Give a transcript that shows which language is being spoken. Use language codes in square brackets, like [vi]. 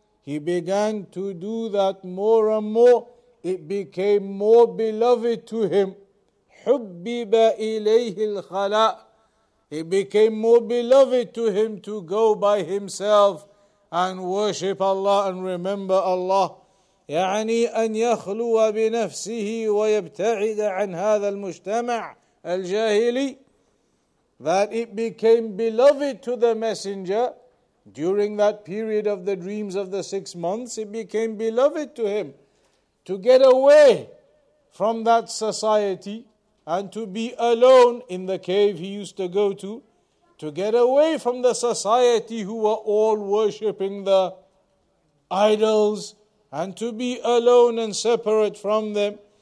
[en] He began to do that more and more. It became more beloved to him. [ar] حُبِّبَ إِلَيْهِ الْخَلَاء. [en] It became more beloved to him to go by himself and worship Allah and remember Allah. [ar] يعني أن يخلو بنفسه ويبتعد عن هذا المجتمع الجاهلي. [en] That it became beloved to the messenger. During that period of the dreams of the 6 months, it became beloved to him to get away from that society and to be alone in the cave he used to go to get away from the society who were all worshipping the idols, and to be alone and separate from them.